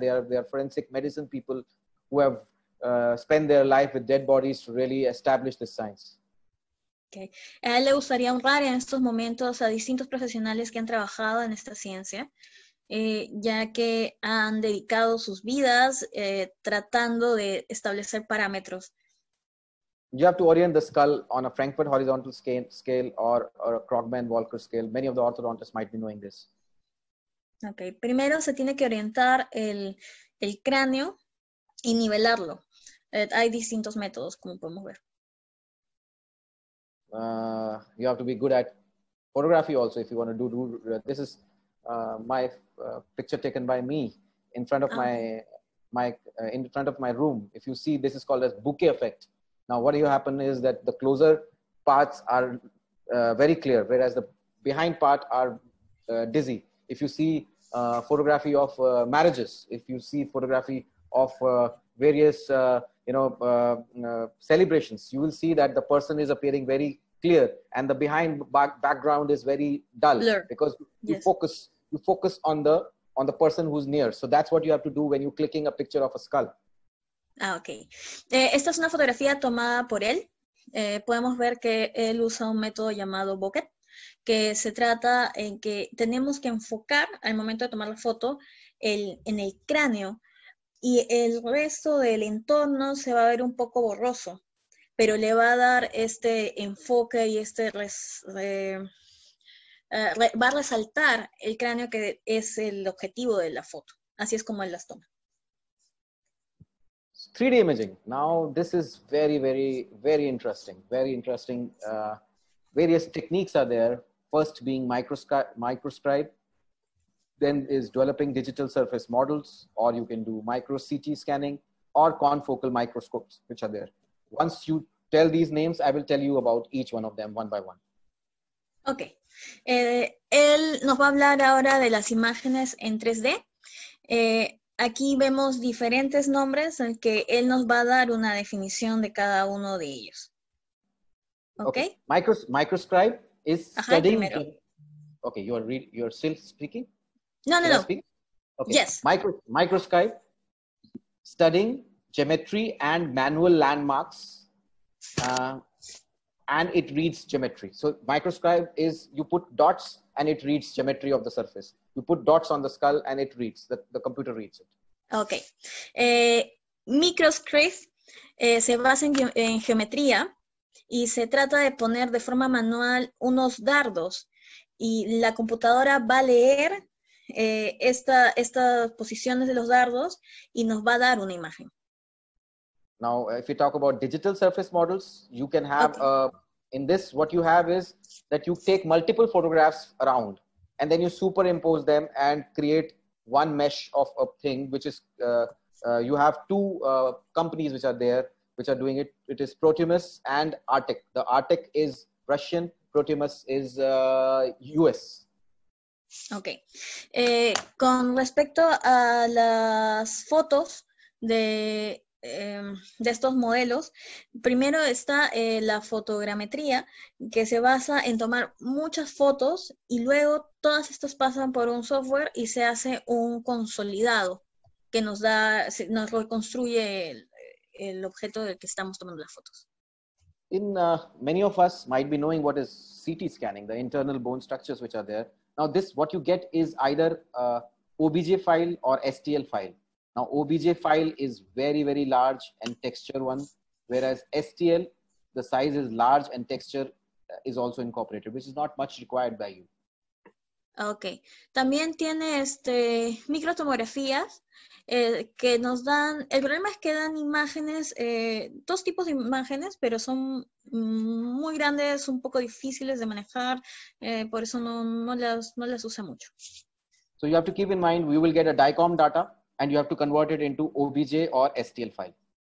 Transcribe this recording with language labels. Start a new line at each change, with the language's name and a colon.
English: They are forensic medicine people who have spent their life with dead bodies to really establish this science. Okay.
Spanish: A él le gustaría honrar en estos momentos a distintos profesionales que han trabajado en esta ciencia. Ya que han dedicado sus vidas tratando de establecer parámetros.
English: You have to orient the skull on a Frankfurt horizontal scale or a Krogman-Walker scale. Many of the orthodontists might be knowing this.
Spanish: Okay, primero se tiene que orientar el cráneo y nivelarlo. Hay distintos métodos, como podemos ver.
English: You have to be good at photography also if you want to do this is my picture taken by me in front of my room. If you see, this is called as bouquet effect. Now, what will happen is that the closer parts are very clear, whereas the behind part are dizzy. If you see photography of marriages, if you see photography of various celebrations, you will see that the person is appearing very clear and the behind background is very dull. Blur. Because you yes. focus. You focus on the person who's near. So that's what you have to do when you're clicking a picture of a skull.
Spanish: Ah, okay. Esta es una fotografía tomada por él. Podemos ver que él usa un método llamado bokeh, que se trata en que tenemos que enfocar al momento de tomar la foto en el cráneo y el resto del entorno se va a ver un poco borroso, pero le va a dar este enfoque y este va a resaltar el cráneo que es el objetivo de la foto. Así es como él las toma.
English: 3D imaging. Now, this is very, very, very interesting. Very interesting. Various techniques are there. First being microscribe. then is developing digital surface models, or you can do micro CT scanning or confocal microscopes, which are there. Once you tell these names, I will tell you about each one of them one by one. Okay.
Spanish: Él nos va a hablar ahora de las imágenes en 3D. Aquí vemos diferentes nombres en que él nos va a dar una definición de cada uno de ellos.
English: Okay. Microscribe is studying.
Spanish: Ajá, primero.
English: Okay, you're still speaking? No. Okay. Yes. Microscribe studying geometry and manual landmarks. And it reads geometry. So microscribe is you put dots and it reads geometry of the surface. You put dots on the skull and it reads, the computer reads it. Okay.
Spanish: Microscribe se basa en geometría y se trata de poner de forma manual unos dardos y la computadora va a leer estas posiciones de los dardos y nos va a dar una imagen.
English: Now, if you talk about digital surface models, you can have, in this, what you have is that you take multiple photographs around and then you superimpose them and create one mesh of a thing, which is, you have two companies which are there, which are doing it. It is Protimus and Artic. The Artic is Russian, Protimus is US. Okay.
Spanish: Con respecto a las fotos de estos modelos, primero está la fotogrametría, que se basa en tomar muchas fotos y luego todas estas pasan por un software y se hace un consolidado que nos da, nos reconstruye el objeto del que estamos tomando las fotos.
English: In many of us might be knowing what is CT scanning, the internal bone structures which are there. Now this, what you get is either a OBJ file or STL file. Now, OBJ file is very, very large and texture one, whereas STL, the size is large and texture is also incorporated, which is not much required by you. Okay.
Spanish: También tiene microtomografías que nos dan, el problema es que dan imágenes, dos tipos de imágenes, pero son muy grandes, un poco difíciles de manejar, por eso no las usa mucho.
English: So you have to keep in mind, we will get a DICOM data. And you have to convert it into OBJ or STL file.